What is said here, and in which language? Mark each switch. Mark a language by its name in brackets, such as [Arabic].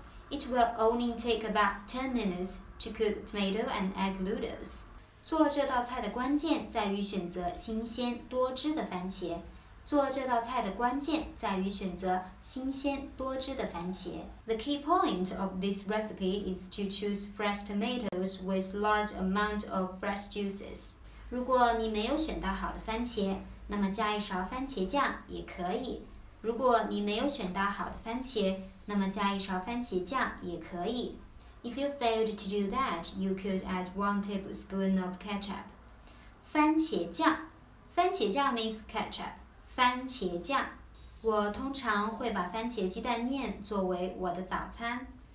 [English] It will only take about 10 minutes to cook tomato and egg noodles. [Chinese] 做这道菜的关键在于选择新鲜多汁的番茄。 [English] The key point of this recipe is to choose fresh tomatoes with large amount of fresh juices. [Chinese] 如果你没有选到好的番茄，那么加一勺番茄酱也可以。 [English] If you failed to do that, you could add 1 tablespoon of ketchup. 番茄酱 means ketchup. [Chinese] 番茄酱，我通常会把番茄鸡蛋面作为我的早餐。